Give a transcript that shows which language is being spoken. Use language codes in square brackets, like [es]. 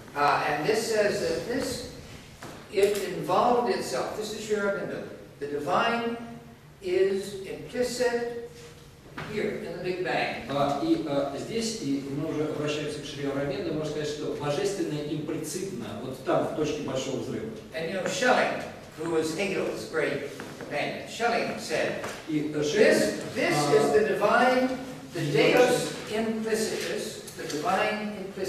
[en] And this says that this it involved itself. This is your argument. The divine is implicit here in the Big Bang. [ru] Здесь и мы уже обращаемся к Шри Аурабинду. Можно сказать, что божественное имплицитно вот там в точке большого взрыва. [en] And you know, Schelling, who was Hegel's great man, Schelling said, "This is the divine, the Deus implicitus, the divine."